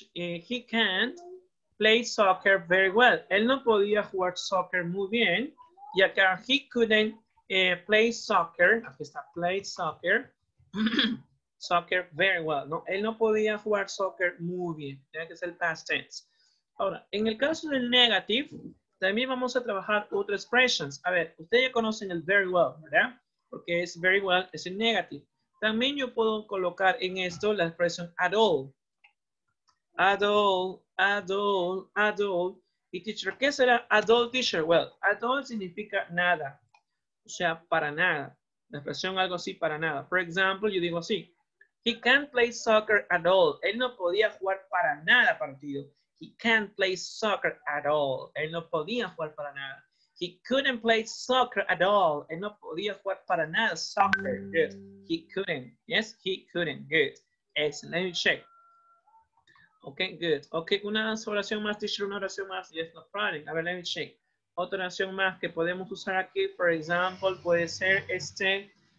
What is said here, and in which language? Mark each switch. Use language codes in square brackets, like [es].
[en] He can't play soccer very well. [es] Él no podía jugar soccer muy bien. Y acá, he couldn't play soccer. Aquí está, [en] play soccer. Soccer very well. [es] No, él no podía jugar soccer muy bien. Tiene que ser el past tense. Ahora, en el caso del negative, también vamos a trabajar otras expressions. A ver, ustedes ya conocen el [en] very well, [es] ¿verdad? porque es very well es el negative. También yo puedo colocar en esto la expresión [en] at all. At all, at all, at all. ¿Y teacher qué será? Adult teacher. [es] Well, adult significa nada. O sea, para nada. La expresión algo así, para nada. For example, yo digo así. [en] He can't play soccer at all. [es] Él no podía jugar para nada partido. [en] He can't play soccer at all. [es] Él no podía jugar para nada. [en] He couldn't play soccer at all. [es] Él no podía jugar para nada. [en] Soccer. Good. He couldn't. Yes, he couldn't. Good. Excellent. Let me check. Okay, good. [es] Okay, una oración más, teacher, una oración más. [en] Yes, no problem. [es] A ver, [en] let me check. [es] Otra oración más que podemos usar aquí, [en] for example, [es] puede ser este.